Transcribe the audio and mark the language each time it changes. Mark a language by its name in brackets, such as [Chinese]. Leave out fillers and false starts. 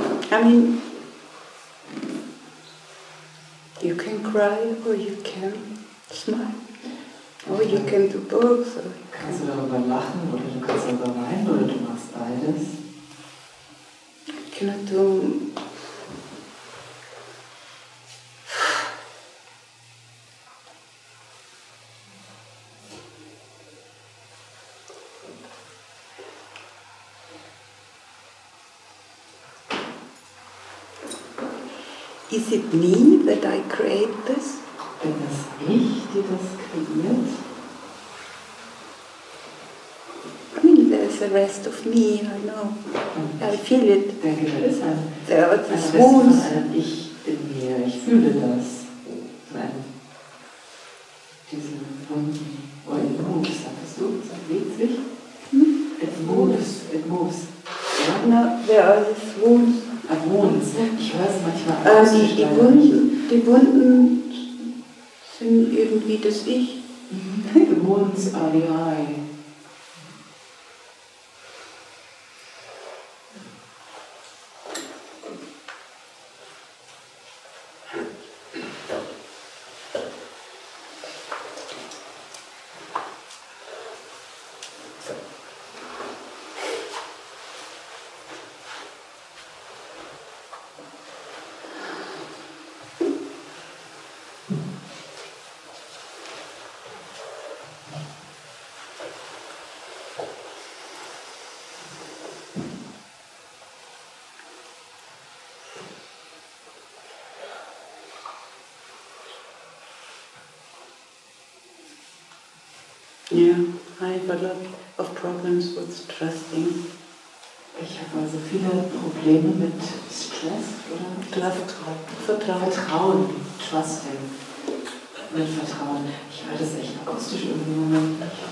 [English] I mean, you can cry or you can smile. Or you can do both. [German] Kannst du darüber lachen oder du kannst darüber weinen oder du machst beides? [English] Can I do? Is it me that I create this? [German] Bin das ich, die das kreiert? [English] I mean, there's a rest of me, I know. I feel it. There are these wounds. [German] Ich in mir, ich fühle das. Diese Wunden, [English] oh, it moves, [German] sagst du, es bewegt sich. [English] It moves, it moves. No, there are these wounds. [German] Ich höre es manchmal die Wunden, die Wunden sind irgendwie das Ich. [English] The wounds are the I. Thank you. Yeah, I have a lot of problems with trusting. [German] Ich habe also viele Probleme mit Stress oder Vertrauen. [English] Trusting. [German] Mit Vertrauen. Ich halte es echt akustisch irgendwie.